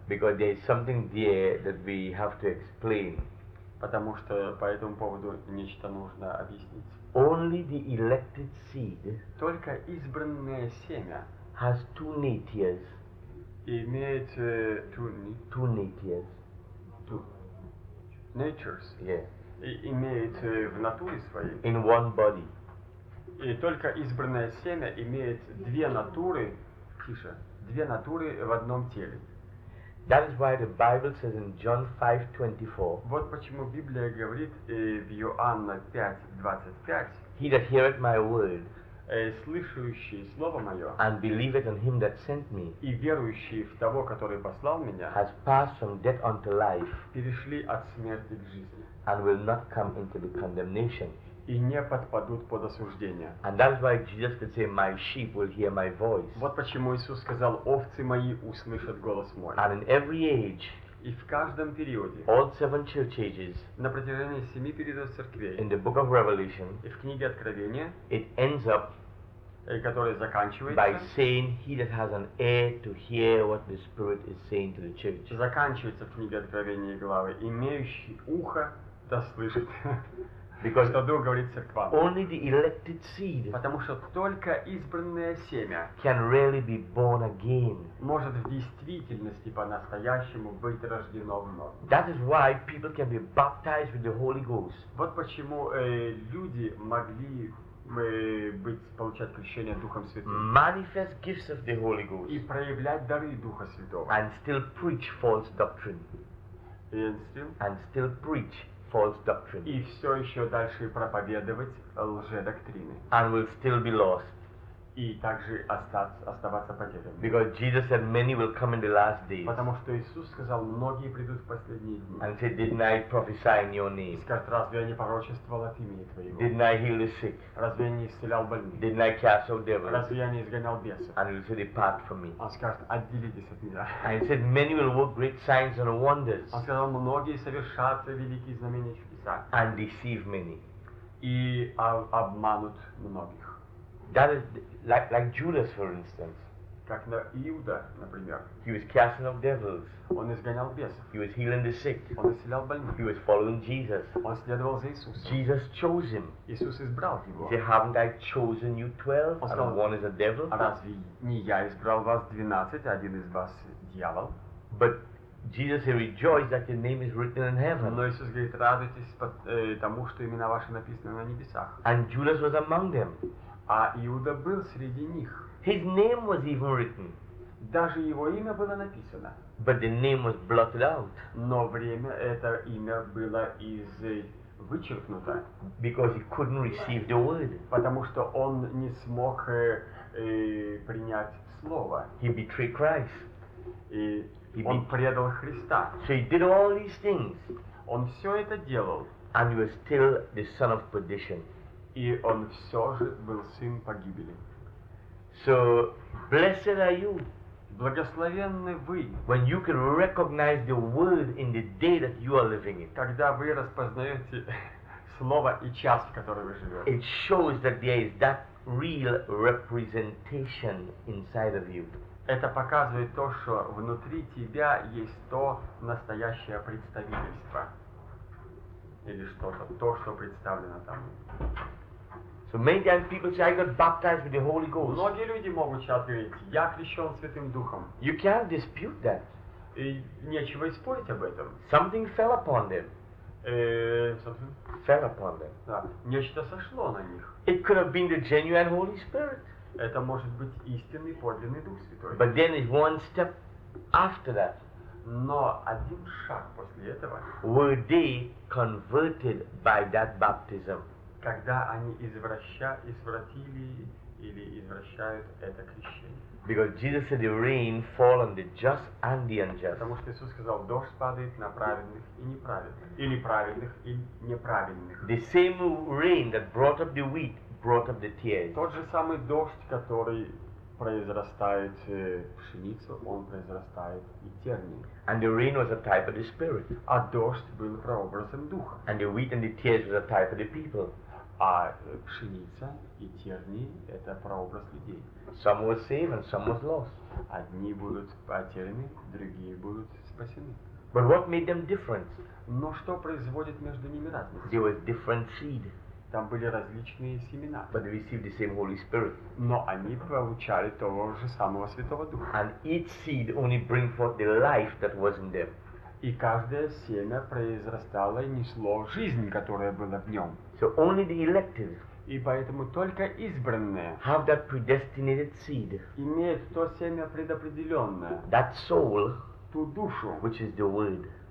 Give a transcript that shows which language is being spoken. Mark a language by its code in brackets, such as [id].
[en] Because there is something there that we have to explain. [ru] Потому что по этому поводу нечто нужно объяснить. [en] Only the elected seed. [ru] Только избранное семя. [en] Has two natures. [ru] Имеет [en] two natures. Natures. Yeah. [ru] Имеет в натуре своей. [en] In one body. [ru] И только избранное семя имеет две натуры. Тише. Две натуры в одном теле. [en] That is why the Bible says in John 5:24. [ru] Вот почему Библия говорит в Иоанна 5:25. [en] He that heareth my word. [ru] Слышащий слово мое. [en] And believeth on him that sent me. [ru] И верующий в того, который послал меня. [en] Has passed from death unto life. [ru] Перешли от смерти к жизни. [en] And will not come into the condemnation. [ru] И не подпадут под осуждение. [en] And that's why Jesus could say, My sheep will hear my voice. [ru] Вот почему Иисус сказал, овцы мои услышат голос мой. [en] And in every age. [ru] И в каждом периоде, [en] All seven church ages, [ru] на протяжении семи периодов церквей, [en] in the book of Revelation, [ru] и в книге Откровения, [en] it ends up, [ru] которая заканчивается, [en] by saying he that has an ear to hear what the Spirit is saying to the church. [ru] Заканчивается в книге Откровения главы, имеющий ухо да слышит, [en] because [ru] что Дух говорит церквам. [en] Only the elected seed, [ru] потому что только избранное семя, [en] can really be born again, [ru] может в действительности по-настоящему быть рождено вновь. [en] That is why people can be baptized with the Holy Ghost. [ru] Вот почему люди могли получать крещение Духом Святым. [en] Manifest gifts of the Holy Ghost. [ru] И проявлять дары Духа Святого. [en] And still preach false doctrine. And still preach. False doctrine. [ru] И все еще дальше проповедовать лжедоктрины. [en] And will still be lost. [ru] и также оставаться потерянными. [en] Because Jesus said many will come in the last days. [ru] Потому что Иисус сказал, многие придут в последние дни. [en] And said, didn't I prophesy in your name? [ru] Скажет, разве я не пророчествовал от имени твоего? [en] Didn't I heal the sick? [ru] Разве я не исцелял больных? [en] Didn't I cast out devils? [ru] Разве я не изгонял бесов? [en] And he said, depart from me. [ru] Он скажет, отделитесь от меня. [en] And he said, many will work great signs and wonders. [ru] Он сказал, многие совершат великие знамения и чудеса. [en] And deceive many. [ru] И обманут многих. [en] That is like Judas, for instance. [ru] Как на Иуда, например. [en] He was casting out devils. [ru] Он изгонял бесов. [en] He was healing the sick. [ru] Он исцелял больных. [en] He was following Jesus. [ru] Он следовал за Иисусом. [en] Jesus chose him. [ru] Иисус избрал его. [en] He said, haven't I chosen you 12? [ru] Он сказал, [en] and one is a devil. [ru] А разве не я избрал вас 12, а один из вас дьявол? [en] But Jesus, he rejoiced that your name is written in heaven. [ru] Но Иисус говорит, радуйтесь тому, что имена ваши написаны на небесах. [en] And Judas was among them. [ru] А Иуда был среди них. [en] His name was even written. [ru] Даже его имя было написано. [en] But the name was blotted out. [ru] Но время это имя было из вычеркнуто. [en] Because he couldn't receive the word. [ru] Потому что он не смог принять слово. [en] He betrayed Christ. [ru] И он предал Христа. [en] So he did all these things. [ru] Он все это делал. [en] And he was still the son of perdition. [ru] И он все же был сын погибели. [en] So, blessed are you. [ru] Благословенны вы. [en] When you can recognize the word in the day that you are living in. [ru] Когда вы распознаете слово и час, в котором вы живете. [en] It shows that there is that real representation inside of you. [ru] Это показывает то, что внутри тебя есть то настоящее представительство. Или что-то. То, что представлено там. [en] So many times people say, "I got baptized with the Holy Ghost." [ru] Многие люди могут сейчас говорить, я крещен Святым Духом. [en] You can't dispute that. [ru] И нечего и спорить об этом. [en] Something fell upon them. Fell upon them. [ru] Да. Нечто сошло на них. [en] It could have been the genuine Holy Spirit. [ru] Это может быть истинный подлинный Дух Святой. [en] But then it's one step after that. [ru] Но один шаг после этого. [en] Were they converted by that baptism? [ru] Когда они извратили или извращают это крещение. [en] Because Jesus said the rain fall on the just and the unjust. [ru] Потому что Иисус сказал, дождь падает на праведных и неправедных. Или праведных и неправедных. [en] The same rain that brought up the wheat brought up the tares. [ru] Тот же самый дождь, который произрастает пшеницу, он произрастает и тернии. [en] And the rain was a type of the spirit. [ru] А дождь был прообразом духа. [en] And the wheat and the tares was a type of the people. [ru] А пшеница и тернии — это прообраз людей. [en] Some were saved and some were lost. [ru] Одни будут потеряны, другие будут спасены. [en] But what made them different? [ru] Но что производит между ними разницу? [en] There was different seed. [ru] Там были различные семена. [en] But they received the same Holy Spirit. [ru] Но они получали того же самого Святого Духа. [en] And each seed only bring forth the life that was in them. [ru] И каждое семя произрастало и несло жизнь, которая была в нем. [en] So only the elected. [ru] И поэтому только избранные. [en] Have that predestinated seed. [ru] Имеют то семя предопределенное. [en] That soul. [ru] Ту душу. [en] Which is the word.